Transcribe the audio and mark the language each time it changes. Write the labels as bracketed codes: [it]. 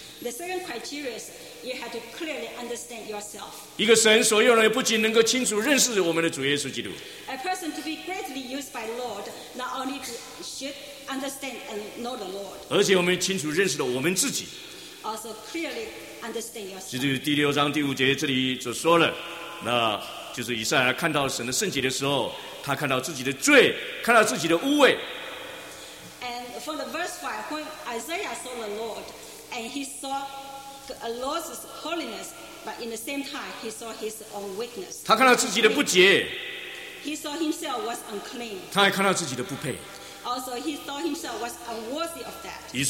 [en] The second criteria is you have to clearly understand yourself. [zh] 一个神所用的不仅能够清楚认识我们的主耶稣基督。 [en] A person to be greatly used by Lord not only should understand and know the Lord. [zh] 而且我们清楚认识了我们自己。 [en] Also clearly understand yourself. [zh] 就是第6章第5节这里所说了，那就是以赛亚看到神的圣洁的时候，他看到自己的罪，看到自己的污秽。 [en] And from the verse 5, when Isaiah saw the Lord, and he saw the Lord's holiness, but in the same time, he saw his own weakness. [zh] 他看到自己的不洁, [en] he saw himself was unclean. [zh] 他还看到自己的不配, [en] also, he saw himself was unworthy of that.